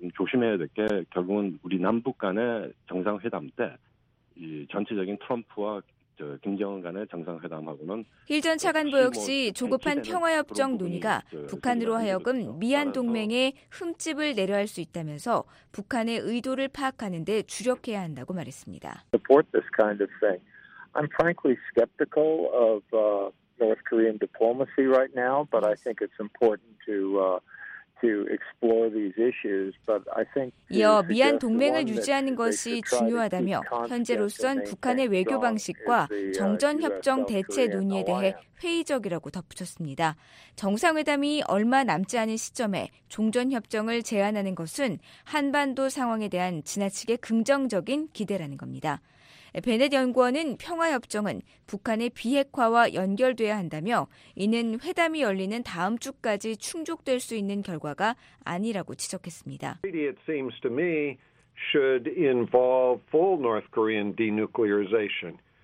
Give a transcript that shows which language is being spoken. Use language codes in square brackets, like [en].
[ko] 조심해야 될 게 결국은 우리 남북 간의 정상회담 때 이 전체적인 트럼프와 김정은 간의 정상회담하고는 힐전 차관보 역시 조급한 평화협정 논의가 북한으로 하여금 미한 동맹의 흠집을 내려할 수 있다면서 북한의 의도를 파악하는 데 주력해야 한다고 말했습니다. [en] Support this kind of thing. I'm frankly skeptical of North Korean diplomacy right now, but I think it's important to explore these issues. But I think [ko] 이어 미한 동맹을 유지하는 것이 중요하다며 현재로선 북한의 외교 방식과 정전 협정 대체 논의에 대해 회의적이라고 덧붙였습니다. 정상회담이 얼마 남지 않은 시점에 종전 협정을 제안하는 것은 한반도 상황에 대한 지나치게 긍정적인 기대라는 겁니다. 베넷 연구원은 평화협정은 북한의 비핵화와 연결돼야 한다며 이는 회담이 열리는 다음 주까지 충족될 수 있는 결과가 아니라고 지적했습니다. [en] It seems to me should involve full North Korean denuclearization.